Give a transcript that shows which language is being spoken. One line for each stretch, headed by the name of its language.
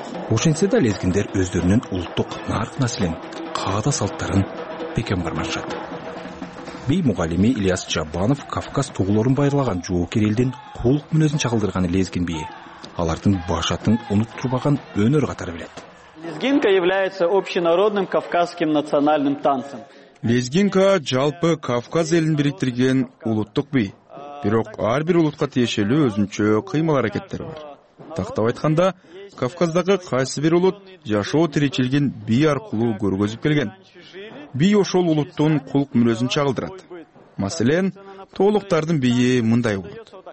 Kyrgyz: Ошентсе да лезгиндер өздөрүнүн улуттук нарк маселен, каада салттарын бекем бармашат. Бий мугалими Ильяс Жабанов Кавказ тууларын байырлаган жоокер элдин кулук мүнөзүн чагылдырган лезгин бийи. Алардын башатын унуттурбаган өнөр катары билет.
Russian: Лезгинка является общенародным кавказским национальным танцем.
Kyrgyz: Лезгинка жалпы Кавказ элин бириктирген улуттук бий. Бирок ар бир улутка тиешелүү өзүнчө кыймыл аракеттер бар. Тактап айтканда, Кавказдагы кайсы бир улут жашоо тиричилген бий аркылуу көргөзүп келген. Бий ошол улуттун кулук мүнөзүн чагылдырат. Маселен, тоолуктардын бийи мындай болот.